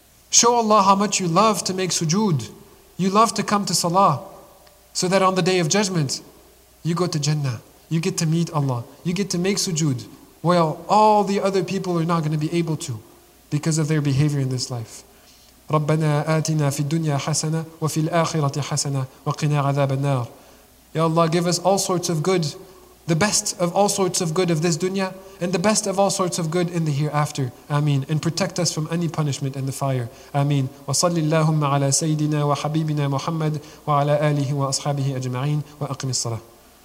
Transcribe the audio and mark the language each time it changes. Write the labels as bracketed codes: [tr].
[en] Show Allah how much you love to make sujood. You love to come to salah. So that on the Day of Judgment, you go to Jannah. You get to meet Allah. You get to make sujood. While all the other people are not going to be able to because of their behavior in this life. [ar] ربنا آتنا في الدنيا حسنة وفي الآخرة حسنة وقنا عذاب النار. [en] Ya Allah, give us all sorts of good, the best of all sorts of good of this dunya, and the best of all sorts of good in the hereafter. Ameen. And protect us from any punishment in the fire. Ameen. [ar] وصلي اللهم على سيدنا وحبيبنا محمد وعلى آله وأصحابه أجمعين وأقم الصلاة.